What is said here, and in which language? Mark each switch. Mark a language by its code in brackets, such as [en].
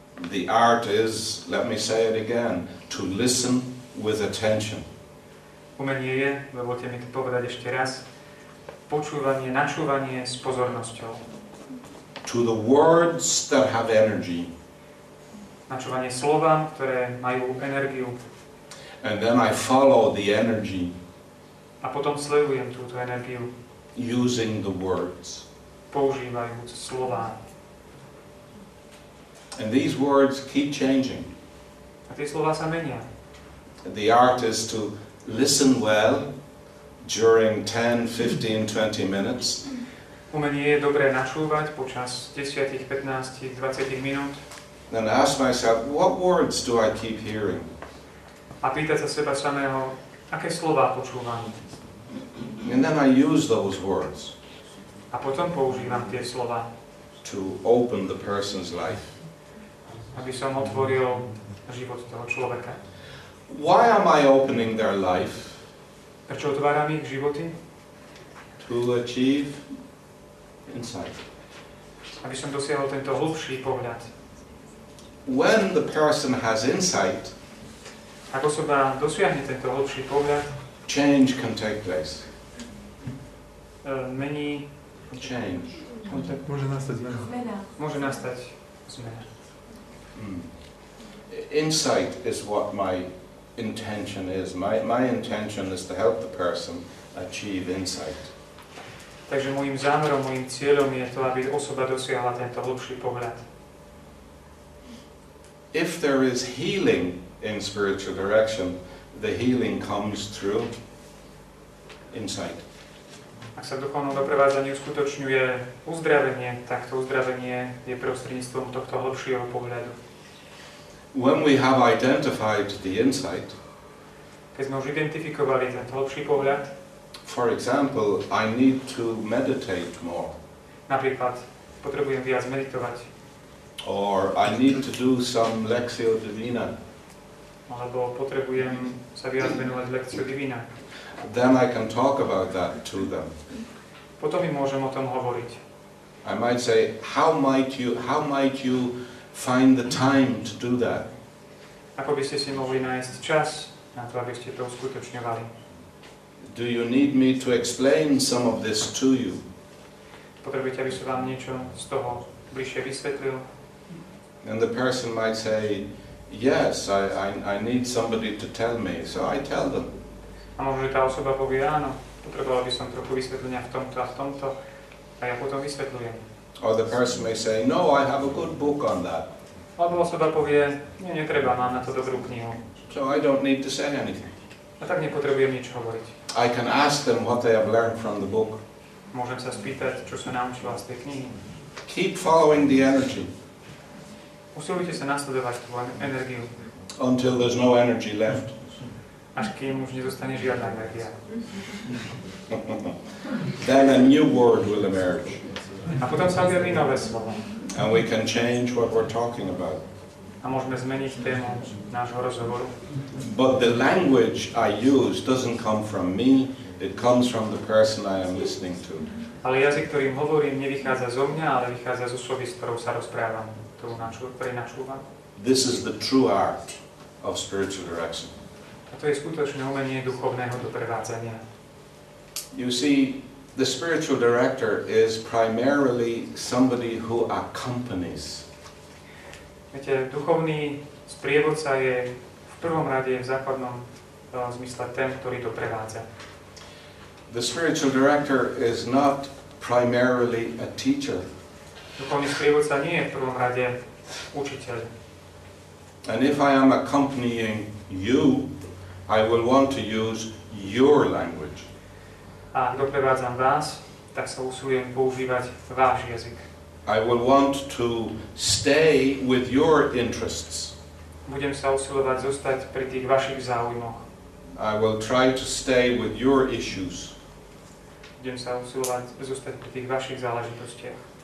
[en] The art is, let me say it again, to listen with attention. [sk] Umenie je, dovolte mi to povedať ešte raz, počúvanie, načúvanie s pozornosťou. [en] To the words that have energy. [sk] Načúvanie slovám, ktoré majú energiu. [en] And then I follow the energy. [sk] A potom sledujem túto energiu. [en] Using the words. [sk] Používajúc slová. [en] And these words keep changing. [sk] A tie slová sa menia. [en] The art is to listen well during 10, 15, 20 minutes. [sk] Umenie je dobré načúvať počas 10, 15, 20 minút. [en] Then ask myself, what words do I keep hearing? [sk] A pýtať sa seba samého, aké slová počúvam? [en] And then I use those words. [sk] A potom používam tie slová. [en] To open the person's life. [sk] Aby som otvoril život toho človeka. [en] Why am I opening their life? [sk] Prečo otváram ich životy? [en] To achieve insight. [sk] Aby som dosiahol tento hlubší pohľad. [en] When the person has insight, [sk] ak osoba dosiahne tento hlubší pohľad, [en] change can take place. [sk] Mení [en] change. [sk] Môže nastať zmena. [en] Insight is what my intention is. My intention is to help the person achieve insight. [sk] Takže môjim zámerom, môjim cieľom je to, aby osoba dosiahla tento hlubší pohľad. [en] If there is healing in spiritual direction, the healing comes through insight. [sk] Ak sa v duchovnom doprevádzaní uskutočňuje uzdravenie, tak to uzdravenie je prostredníctvom tohto hlbšieho pohľadu. [en] When we have identified the insight, [sk] keď sme už identifikovali ten hlbší pohľad, [en] for example, I need to meditate more. [sk] Napríklad, potrebujem viac meditovať. [en] Or I need to do some lectio divina. [sk] Alebo potrebujem sa viac venovať lectio divina. [en] Then I can talk about that to them. [sk] Potom im môžem o tom hovoriť. [en] I might say, how might you find the time to do that? [sk] Ako by ste si mohli nájsť čas na to, aby ste to uskutočňovali? [en] Do you need me to explain some of this to you? [sk] Potrebujete, aby som vám niečo z toho bližšie vysvetlil? [en] And the person might say, yes, I need somebody to tell me, so I tell them. [sk] A možno, že tá osoba povie, áno, potreboval by som trochu vysvetlenia v tomto a v tomto, a ja potom vysvetľujem. [en] Or the person may say, no, I have a good book on that. [sk] Alebo osoba povie, nie, netreba, mám na to dobrú knihu. [en] So I don't need to say anything. [sk] A tak nepotrebujem nič hovoriť. [en] I can ask them what they have learned from the book. [sk] Môžem sa spýtať, čo sa naučila z tej knihy. [en] Keep following the energy. [sk] Usilujte sa nasledovať tú energiu. [en] Until there's no energy left. [sk] Až kým už nezostane žiadna energia. [en] Then a new word will emerge. [sk] A potom sa objaví nové slovo. [en] And we can change what we're talking about. [sk] A môžeme zmeniť tému nášho rozhovoru. [en] But the language I use doesn't come from me, It comes from the person I am listening to. [sk] Ale jazyk, ktorým hovorím, nevychádza zo mňa, ale vychádza z osoby, s ktorou sa rozprávam, ktorú načúvam. [en] This is the true art of spiritual direction. [sk] A to je skutočné umenie duchovného doprevádzania. [en] You see, the spiritual director is primarily somebody who accompanies. [sk] Viete, duchovný sprievodca je v prvom rade v základnom zmysle ten, ktorý doprevádza. [en] The spiritual director is not primarily a teacher. [sk] Duchovný sprievodca nie je v prvom rade učiteľ. [en] And if I am accompanying you, I will want to use your language. [sk] A ak doprevádzam vás, tak sa usilujem používať váš jazyk. [en] I will want to stay with your interests. [sk] Budem sa usilovať zostať pri tých vašich záujmoch. [en] I will try to stay with your issues. [sk] Budem sa usilovať zostať pri tých vašich záležitostiach.